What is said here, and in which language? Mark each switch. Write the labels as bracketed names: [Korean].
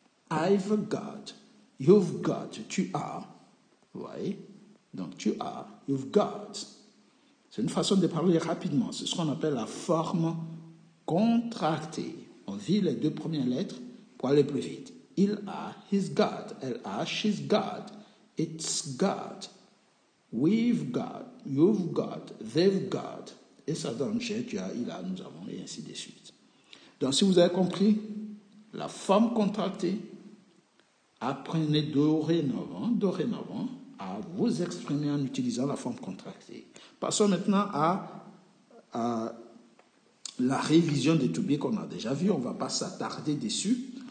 [English] I've got, you've got, [French] tu as. Vous voyez? Donc, tu as, [English] you've got. [French] C'est une façon de parler rapidement. C'est ce qu'on appelle la forme contractée. On vit les deux premières lettres pour aller plus vite. Il a, [English] he's got. [French] Elle a, [English] she's got. It's got. We've got, you've got, they've got. [French] Et ça donne j'ai, tu as, il a, nous avons, et ainsi de suite. Donc, si vous avez compris la forme contractée, apprenez dorénavant à vous exprimer en utilisant la forme contractée. Passons maintenant à la révision des to-be qu'on a déjà vu. On ne va pas s'attarder dessus.